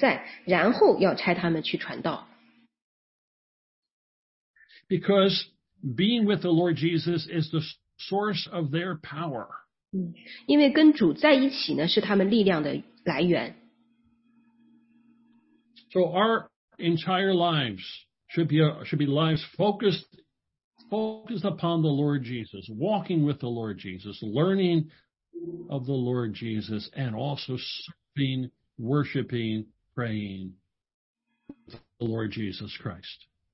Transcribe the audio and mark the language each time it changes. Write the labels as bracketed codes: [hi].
[zh] 马可的3章14节，他是这么说的，他就设立12个人，要他们和自己同在，常和自己同在，然后要差他们去传道。 [en] Because being with the Lord Jesus is the source of their power. [zh] 因为跟主在一起呢，是他们力量的来源。 [en] So our entire lives should be lives focused upon the Lord Jesus, walking with the Lord Jesus, learning of the Lord Jesus, and also serving, worshiping, praying the Lord Jesus Christ.